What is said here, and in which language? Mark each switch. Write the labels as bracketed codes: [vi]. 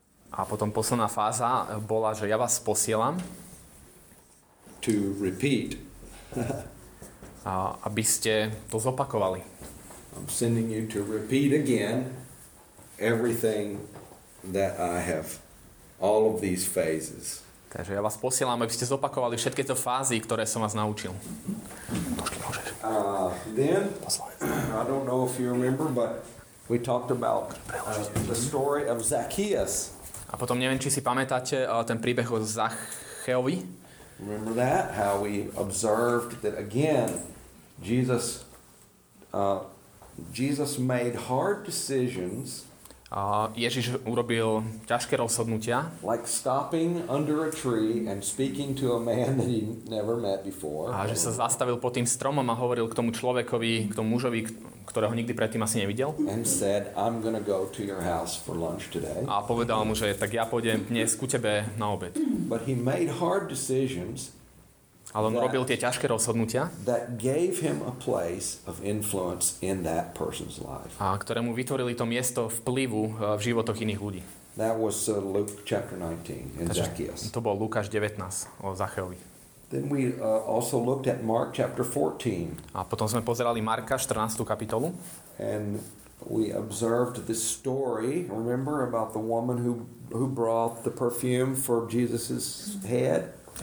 [sk] A potom posledná fáza bola, že ja vás posielam. [en] To repeat. [sk] A aby ste to zopakovali. [en] I'm sending you to repeat again everything that I have, all of these phases. [sk] Takže ja vás posielam, aby ste zopakovali všetky tieto fázy, ktoré som vás naučil. [en] Then I don't know if you remember, but we talked about the story of Zacchaeus. [sk] A potom neviem, či si pamätáte ten príbeh o Zacheovi. [en] Remember that, how we observed that again Jesus made hard decisions. [sk] Ježiš urobil ťažké rozhodnutia. [en] Like stopping under a tree and speaking to a man that he never met before. [sk] A že sa zastavil pod tým stromom a hovoril k tomu človekovi, k tomu mužovi, ktorého nikdy predtým asi nevidel. [en] And said, "I'm gonna go to your house for lunch today." [sk] A povedal mu, že tak ja pôjdem dnes ku tebe na obed. [en] But he made hard decisions. [sk] Ale on urobil tie ťažké rozhodnutia, [en] that gave him a place of influence in that person's life. [sk] A ktoré mu vytvorili to miesto vplyvu v životoch iných ľudí. [en] That was Luke chapter 19 in Zacchaeus. [sk] To bol Lukáš 19 o Zacheovi. [en] Then we also looked at Mark chapter 14. [sk] A potom sme pozerali Marka 14. kapitolu. [en] And we observed this story, remember, about the woman who brought the perfume for Jesus's head.